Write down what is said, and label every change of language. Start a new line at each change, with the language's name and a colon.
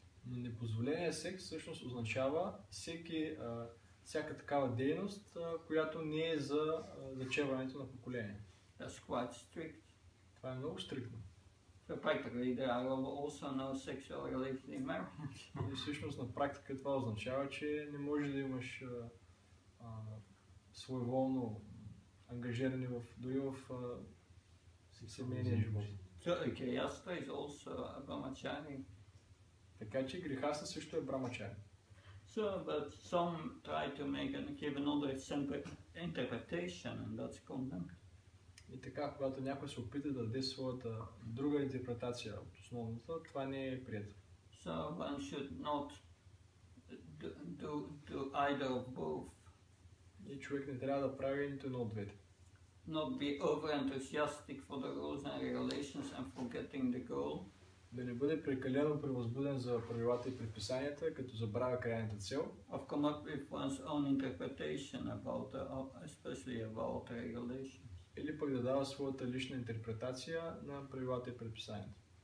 Bulgarian: Но непозволения секс всъщност означава всяка такава дейност, която не е за зачерването на поколение.
English: That's quite strict.
Bulgarian: Това е много стриктно.
English: So practically, there are also no sexual relations in marriage.
Bulgarian: И всъщност на практика това означава, че не можеш да имаш своеволно ангажиране в дори в семейния живот.
English: So, okay, Asta is also a brahmachari.
Bulgarian: Така че грехаста също е брамачари.
English: So, but some try to make and give another interpretation, and that's condemned.
Bulgarian: И така, когато някой се опита да даде своята друга интерпретация от основната, това не е прието.
English: So one should not do either of both.
Bulgarian: И човек не трябва да прави нито едно от двете.
English: Not be over enthusiastic for the rules and regulations and forgetting the goal.
Bulgarian: Да не бъде прекалено превъзбуден за правилата и предписанията, като забравя крайната цел.
English: I've come up with one's own interpretation about the, especially about the regulations.
Bulgarian: Или пък да дава своята лична интерпретация на правилата и предписанията.